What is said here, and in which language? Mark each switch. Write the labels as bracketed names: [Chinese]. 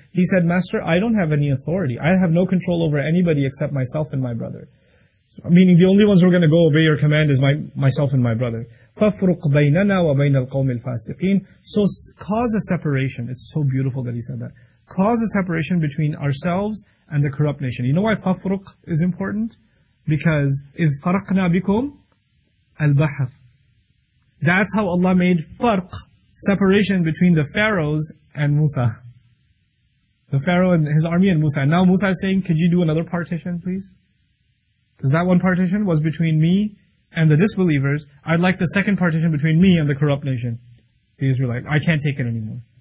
[English] He said, master, I don't have any authority. I have no control over anybody except myself and my brother. So, meaning the only ones who are going to go obey your command is myself and my brother. [Arabic] فَفْرُقْ بَيْنَنَا وَبَيْنَ الْقَوْمِ الْفَاسِقِينَ. [English] So cause a separation. It's so beautiful that he said that. Cause a separation between ourselves and the corrupt nation. You know why فَفْرُقْ is important? Because [Arabic] إِذْ فَرَقْنَا بِكُمْ الْبَحْرِ. [English] That's how Allah made فَرْق, separation between the pharaohs and Musa. The pharaoh and his army and Musa. And now Musa is saying, could you do another partition please? Because that one partition was between me and the disbelievers, I'd like the second partition between me and the corrupt nation, the Israelites. I can't take it anymore.